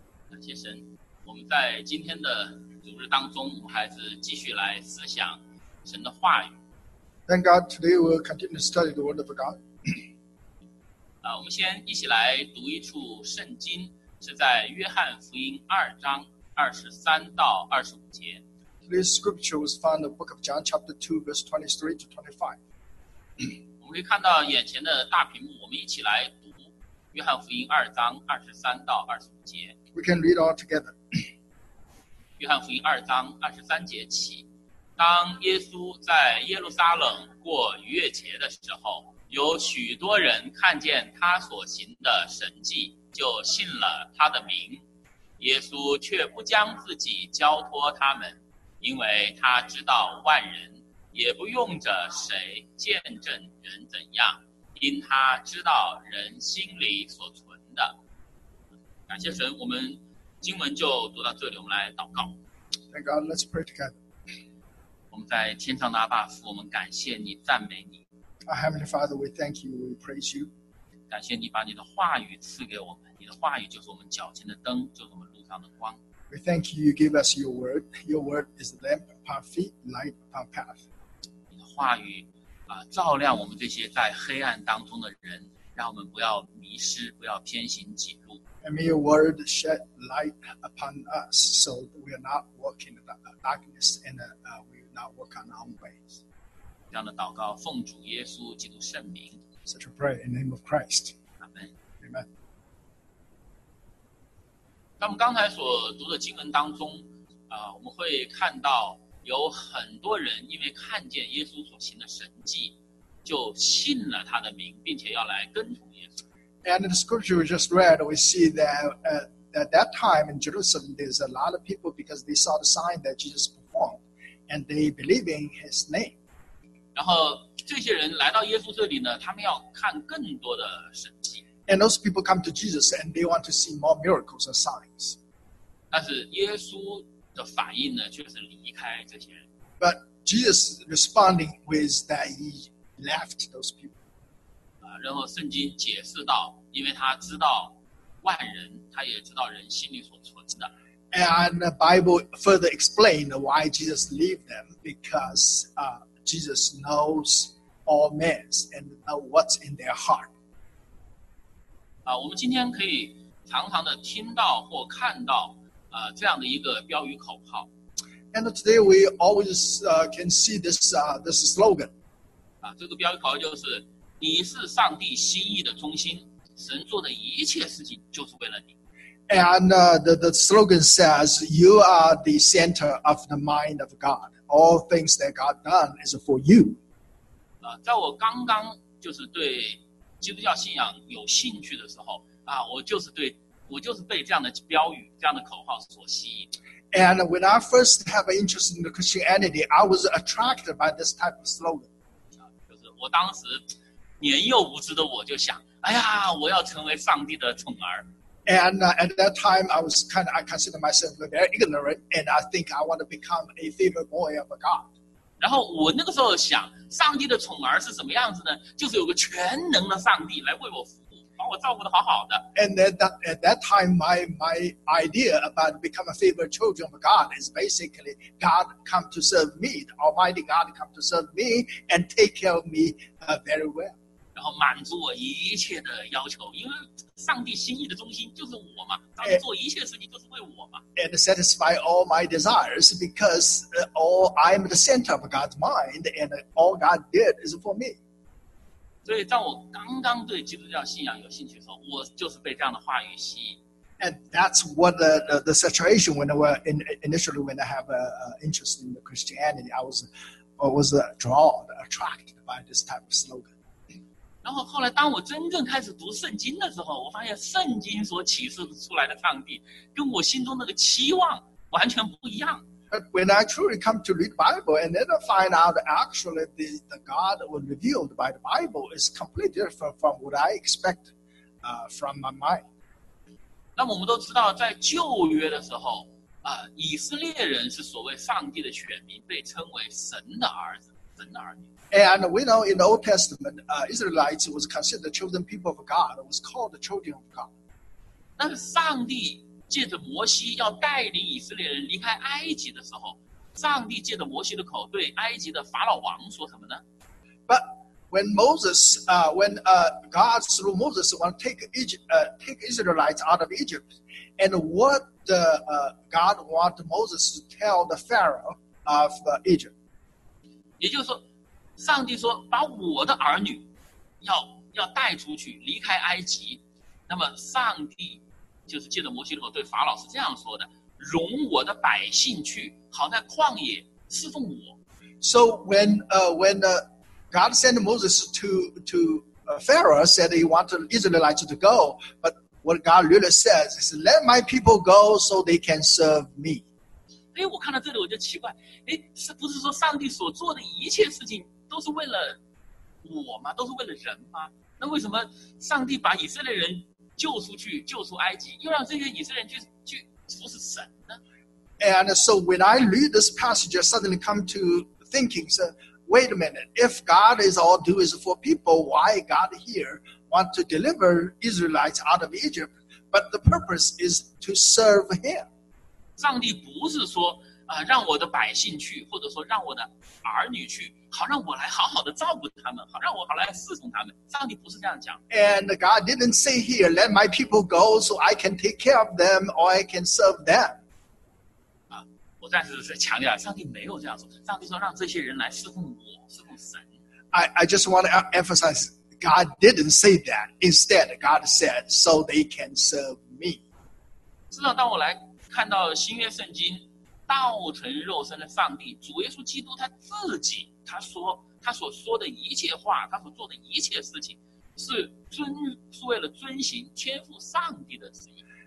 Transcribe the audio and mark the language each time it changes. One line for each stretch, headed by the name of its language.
Chinese: 感谢神，我们在今天的主日当中，我们还是继续来思想神的话语。
English: Thank God, today we'll continue to study the word of God.
Chinese: 我们先一起来读一处圣经，是在约翰福音二章二十三到二十五节。
English: This scripture was found in the book of John, chapter 2, verse 23 to 25.
Chinese: 我们可以看到眼前的大屏幕，我们一起来读约翰福音二章二十三到二十五节。
English: We can read all together.
Chinese: 约翰福音二章二十三节起，当耶稣在耶路撒冷过逾越节的时候，有许多人看见他所行的神迹，就信了他的名。耶稣却不将自己交托他们，因为他知道万人也不用着谁见证人怎样，因他知道人心里所存的。感谢神，我们经文就读到这里，我们来祷告。
English: Thank God, let's pray together.
Chinese: 我们在天上的阿爸父，我们感谢你，赞美你。
English: Our Heavenly Father, we thank you, we praise you.
Chinese: 感谢你把你的话语赐给我们，你的话语就是我们脚前的灯，就是我们路上的光。
English: We thank you, you give us your word. Your word is a lamp upon feet, light upon path.
Chinese: 你的话语照亮我们这些在黑暗当中的人，让我们不要迷失，不要偏行己路。
English: And may your word shed light upon us, so that we are not walking in the darkness, and we will not walk on our own ways.
Chinese: 这样的祷告，奉主耶稣基督圣名。
English: Such a prayer in the name of Christ. Amen. Amen.
Chinese: 在我们刚才所读的经文当中，我们会看到有很多人因为看见耶稣所行的神迹，就信了他的名，并且要来跟从耶稣。
English: And in the scripture we just read, we see that at that time in Jerusalem, there's a lot of people because they saw the sign that Jesus performed, and they believe in his name.
Chinese: 然后这些人来到耶稣这里呢，他们要看更多的神迹。
English: And those people come to Jesus and they want to see more miracles and signs.
Chinese: 但是耶稣的反应呢，却是离开这些人。
English: But Jesus responding with that he left those people.
Chinese: 然后圣经解释到，因为他知道万人，他也知道人心里所存的。
English: And the Bible further explained why Jesus leave them, because Jesus knows all men and know what's in their heart.
Chinese: 我们今天可以常常的听到或看到这样的一个标语口号。
English: And today we always can see this slogan.
Chinese: 这个标语口号就是。你是上帝心意的中心，神做的一切事情就是为了你。
English: And the slogan says, "You are the center of the mind of God. All things that God done is for you."
Chinese: 在我刚刚就是对基督教信仰有兴趣的时候啊，我就是被这样的标语、这样的口号所吸引。
English: And when I first have an interest in the Christianity, I was attracted by this type of slogan.
Chinese: 就是我当时。年幼无知的我就想，哎呀，我要成为上帝的宠儿。
English: And at that time, I was kind of I considered myself very ignorant, and I think I want to become a favorite boy of a God.
Chinese: 然后我那个时候想，上帝的宠儿是什么样子呢？就是有个全能的上帝来为我服务，把我照顾得好好的。
English: And then at that time, my idea about becoming a favorite children of God is basically God come to serve me, the Almighty God come to serve me and take care of me very well.
Chinese: 然后满足我一切的要求，因为上帝心意的中心就是我嘛，上帝做一切事情就是为我嘛。
English: And satisfy all my desires because all I'm the center of God's mind and all God did is for me.
Chinese: 所以当我刚刚对基督教信仰有兴趣的时候，我就是被这样的话语吸引。
English: And that's what the situation when I were initially when I have an interest in the Christianity, I was drawn, attracted by this type of slogan.
Chinese: 然后后来当我真正开始读圣经的时候，我发现圣经所启示出来的上帝跟我心中那个期望完全不一样。
English: But when I truly come to read the Bible and then I find out actually the God was revealed by the Bible is completely different from what I expect from my mind.
Chinese: 那么我们都知道在旧约的时候以色列人是所谓上帝的选民，被称为神的儿子，神的儿女。
English: And we know in the Old Testament, Israelites was considered the chosen people of God, was called the children of God.
Chinese: 但是上帝借着摩西要带领以色列人离开埃及的时候，上帝借着摩西的口对埃及的法老王说什么呢？
English: But when Moses, God through Moses want to take Israelites out of Egypt, and what God want Moses to tell the Pharaoh of Egypt?
Chinese: 也就是说上帝说把我的儿女要带出去离开埃及，那么上帝就是借着摩西的口对法老是这样说的，容我的百姓去，好在旷野侍奉我。
English: So when God sent Moses to Pharaoh said he wanted Israelites to go, but what God really says is let my people go so they can serve me.
Chinese: 哎，我看到这里我就奇怪，哎，是不是说上帝所做的一切事情都是为了我吗？都是为了人吗？那为什么上帝把以色列人救出去，救出埃及，又让这些以色列人去服侍神呢？
English: And so when I read this passage, I suddenly come to thinking, so wait a minute, if God is all do is for people, why God here want to deliver Israelites out of Egypt, but the purpose is to serve him?
Chinese: 上帝不是说让我的百姓去，或者说让我的儿女去，好让我来好好的照顾他们，好让我好来侍奉他们。上帝不是这样讲。
English: And God didn't say here, let my people go so I can take care of them or I can serve them.
Chinese: 我再次强调，上帝没有这样说。上帝说让这些人来侍奉我，侍奉神。
English: I just want to emphasize, God didn't say that. Instead, God said, so they can serve me.
Chinese: 事实上，当我来看到新约圣经。道成肉身的上帝主耶稣基督他自己他所说的一切话他所做的一切事情是为了遵行天父上帝的旨意。